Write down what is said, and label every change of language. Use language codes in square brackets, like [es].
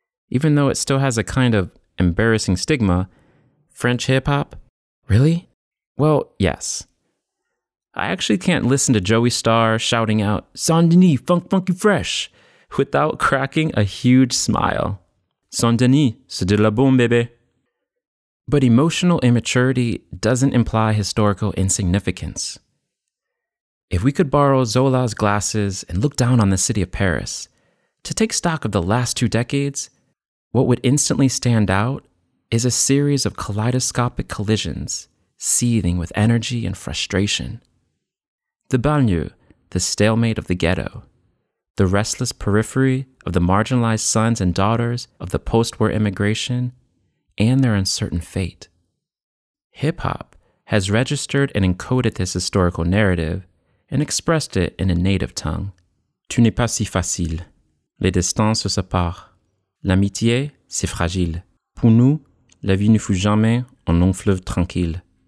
[en] Even though it still has a kind of embarrassing stigma, French hip-hop, really? Well, yes. I actually can't listen to Joey Starr shouting out, Saint-Denis, funk, funky, fresh, without cracking a huge smile. [fr] Saint-Denis, c'est de la bombe, baby. [en] But emotional immaturity doesn't imply historical insignificance. If we could borrow Zola's glasses and look down on the city of Paris, to take stock of the last two decades, what would instantly stand out is a series of kaleidoscopic collisions, seething with energy and frustration. The banlieue, the stalemate of the ghetto, the restless periphery of the marginalized sons and daughters of the post-war immigration, and their uncertain fate. Hip-hop has registered and encoded this historical narrative and expressed it in a native tongue. [fr] Tu n'es pas si facile. Les destins se séparent. L'amitié, c'est fragile. Pour nous, la vie ne fut jamais un long fleuve tranquille.